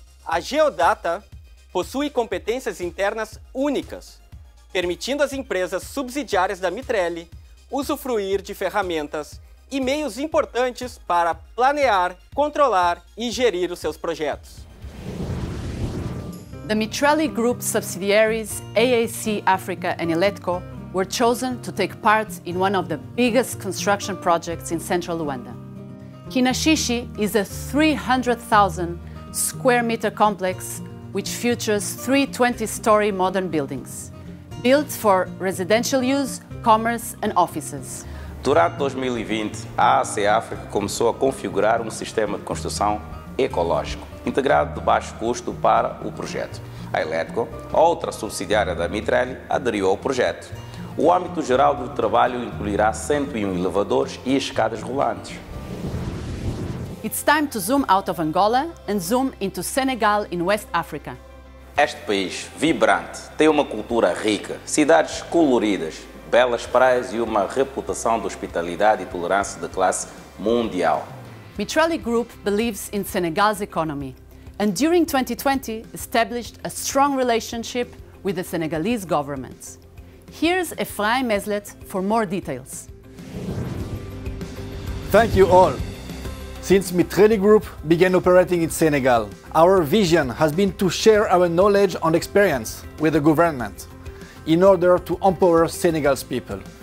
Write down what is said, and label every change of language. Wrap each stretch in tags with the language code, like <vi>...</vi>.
<pt>A Geodata possui competências internas únicas, permitindo às empresas subsidiárias da Mitrelli usufruir de ferramentas e meios importantes para planear, controlar e gerir os seus projetos.</pt> <en>The Mitrelli Group subsidiaries AAC Africa and Eletco were chosen to take part in one of the biggest construction projects in Central Luanda. Kinashishi is a 300,000 square meter complex which features three 20-story modern buildings, built for residential use, commerce and offices.</en> <pt>Durante 2020, a AAC Africa começou a configurar um sistema de construção ecológico, integrado de baixo custo para o projeto. A Eletco, outra subsidiária da Mitrelli, aderiu ao projeto. O âmbito geral do trabalho incluirá 101 elevadores e escadas rolantes.</pt> <en>It's time to zoom out of Angola and zoom into Senegal in West Africa.</en> <pt>Este país vibrante tem uma cultura rica, cidades coloridas, belas praias e uma reputação de hospitalidade e tolerância de classe mundial.</pt> <en>Mitrelli Group believes in Senegal's economy and during 2020 established a strong relationship with the Senegalese government. Here's Efraim Meslet for more details. Thank you all. Since Mitrelli Group began operating in Senegal, our vision has been to share our knowledge and experience with the government in order to empower Senegal's people.</en>